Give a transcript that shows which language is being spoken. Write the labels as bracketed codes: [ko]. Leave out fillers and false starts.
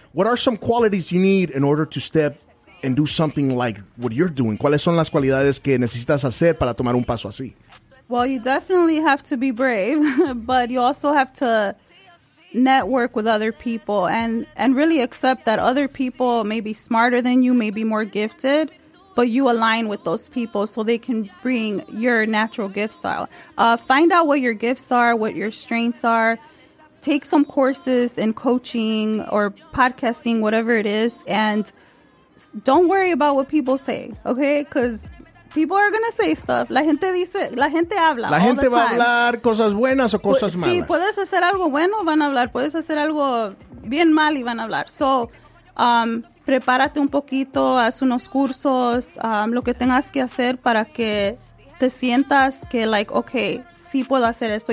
[en] What are some qualities you need in order to step and do something like what you're doing? [es] ¿Cuáles son las cualidades que necesitas hacer para tomar un paso así? [en] Well, you definitely have to be brave, but you also have to network with other people and really accept that other people may be smarter than you, may be more gifted, but you align with those people so they can bring your natural gifts out. Find out what your gifts are, what your strengths are. Take some courses in coaching or podcasting, whatever it is, and don't worry about what people say, okay? Because people are going to say stuff. [es] La gente habla. La gente va a hablar cosas buenas o cosas malas. Sí, puedes hacer algo bueno, van a hablar. Puedes hacer algo bien mal y van a hablar. So, prepárate un poquito, haz unos cursos, lo que tengas que hacer para que te sientas que, like, okay, sí puedo hacer esto.